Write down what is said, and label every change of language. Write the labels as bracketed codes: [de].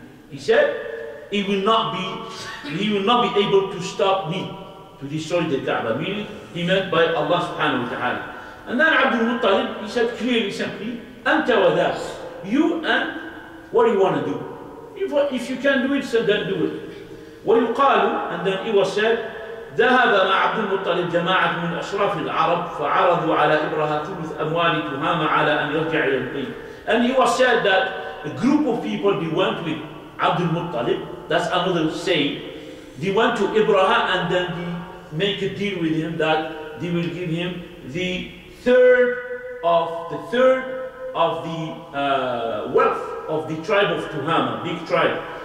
[en] He said, he will not be able to stop me to destroy the Kaaba. Meaning, he meant by Allah subhanahu wa ta'ala. And then Abdul Muttalib, he said clearly, simply, anta wa das, you and what do you want to do? If you can do it, so then do it. [ar] Wa yuqalu, [en] and then it was said, [ar] ذهب مع عبد المطلب جماعة من أشراف العرب فعرضوا على إبراهيم ثلث أموال تهامة على أن يرجع إلى البيت. [en] And he was said that a group of people, they went with Abdul Muttalib, that's another saying. They went to Ibrahim and then they make a deal with him that they will give him the third of the wealth of the tribe of Tuhama, big tribe.